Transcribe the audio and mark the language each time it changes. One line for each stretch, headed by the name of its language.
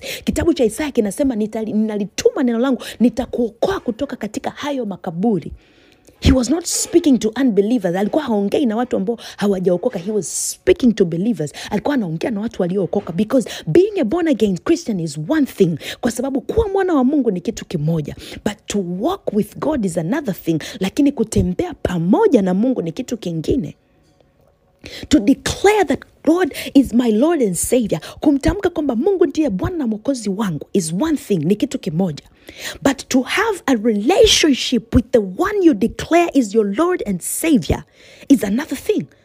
Swahili: Kitabu cha Isaiah kinasema, ninalituma neno langu, nitakuokoa kutoka katika hayo makaburi.
English: He was not speaking to unbelievers.
Swahili: Alikuwa haongei na watu ambao hawajaokoka.
English: He was speaking to believers.
Swahili: Alikuwa anaongea na watu waliookoka.
English: Because being a born again Christian is one thing.
Swahili: Kwa sababu kuwa mwana wa Mungu ni kitu kimoja.
English: But to walk with God is another thing.
Swahili: Lakini kutembea pamoja na Mungu ni kitu kingine.
English: To declare that God is my Lord and Savior.
Swahili: Kumtamka kwamba Mungu ndiye Bwana na Mwokozi wangu
English: is one thing.
Swahili: Ni kitu kimoja.
English: But to have a relationship with the one you declare is your Lord and Savior is another thing.